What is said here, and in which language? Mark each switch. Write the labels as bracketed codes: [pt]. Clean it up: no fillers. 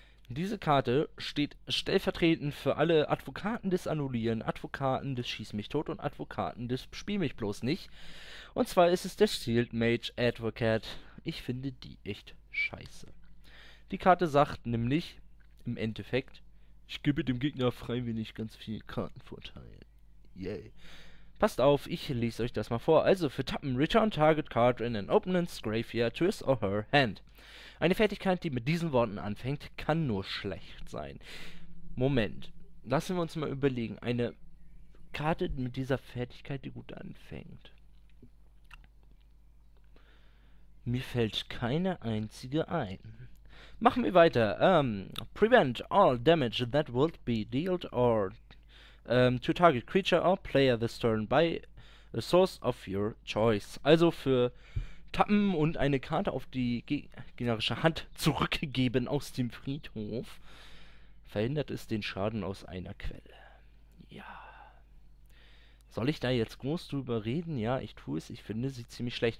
[de] Diese Karte steht stellvertretend für alle Advokaten des Annullieren, Advokaten des Schieß mich tot und Advokaten des Spiel mich bloß nicht. Und zwar ist es der Shield Mage Advocate. Ich finde die echt scheiße. Die Karte sagt nämlich im Endeffekt: Ich gebe dem Gegner freiwillig ganz viel Kartenvorteil. Yay. Passt auf, ich lese euch das mal vor. Also für Tappen, [en] return target card in an opponent's graveyard to his or her hand. [de] Eine Fertigkeit, die mit diesen Worten anfängt, kann nur schlecht sein. Moment, lassen wir uns mal überlegen. Eine Karte mit dieser Fertigkeit, die gut anfängt. Mir fällt keine einzige ein. Machen wir weiter. [en] Prevent all damage that would be dealt or to target creature or player this turn by a source of your choice. [de] Also für Tappen und eine Karte auf die gegnerische Hand zurückgegeben aus dem Friedhof, verhindert es den Schaden aus einer Quelle. Ja. Soll ich da jetzt groß drüber reden? Ja, ich tue es. Ich finde sie ziemlich schlecht.